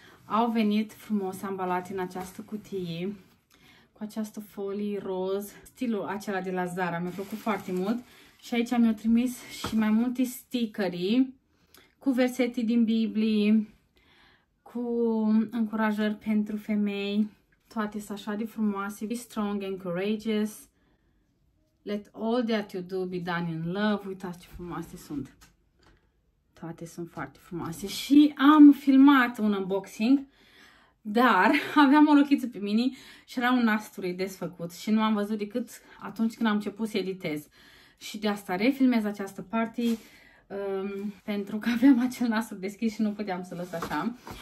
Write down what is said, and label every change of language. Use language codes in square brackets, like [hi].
[ro] Au venit frumos ambalate în această cutie cu această folie roz, stilul acela de la Zara. Mi-a plăcut foarte mult. Și aici mi-au trimis și mai multe stickeri cu versete din Biblie, cu încurajări pentru femei. Toate sunt așa de frumoase. [en] Be strong and courageous. Let all that you do be done in love. [ro] Uitați ce frumoase sunt. Toate sunt foarte frumoase. Și am filmat un unboxing, dar aveam o rochiță pe mine și era un nasturi desfăcut și nu am văzut decât atunci când am început să editez. Și de asta refilmez această parte, pentru că aveam acel nasul deschis și nu puteam să lăs așa.